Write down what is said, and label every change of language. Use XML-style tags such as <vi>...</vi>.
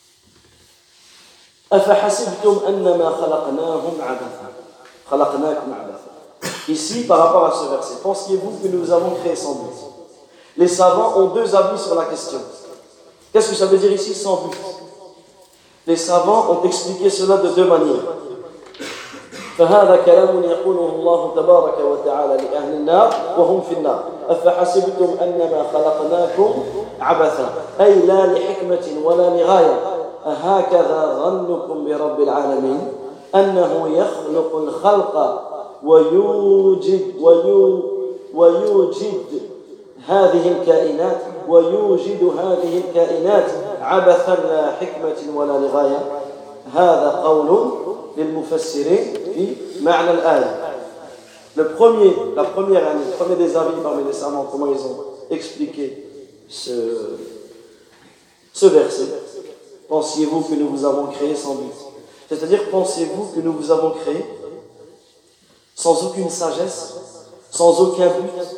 <ar>44. أَفَحَسِبْتُمْ أَنَّمَا خَلَقْنَاهُمْ عَبَثًا خَلَقْنَاكُمْ عَبَثًا.</ar> <fr>Ici, par rapport à ce verset, pensiez-vous que nous avons créé sans but? Les savants ont deux avis sur la question. Qu'est-ce que ça veut dire ici, sans but? Les savants ont expliqué cela de deux manières.</fr> <ar>فَهَذَا كَلَامٌ يَقُولُهُ اللَّهُ تَبَارَكَ وَتَعَالَى لِأَهْلِ النَّارِ وَهُمْ فِي النَّارِ أَفَحَسِبْتُمْ أَنَّمَا خَلَقْنَاكُمْ عَبَثًا أَيْ لَا لِحِكْمَةٍ وَلَا لِغَايَةٍ أَهَكَذَا ظَنُّكُمْ بِرَبِّ الْعَالَمِينَ أَنَّهُ يَخْلُقُ الْخَلْقَ ويوجد هذه الكائنات ويوجد هذه الكائنات عبثا لا حكمة ولا لغاية. هذا قول للمفسرين في معنى الآية.</ar> <fr>Le premier des avis parmi les savants, comment ils ont expliqué ce verset? Pensiez-vous que nous vous avons créé sans but? C'est-à-dire, pensiez-vous que nous vous avons créé sans aucune sagesse, sans aucun but?</fr>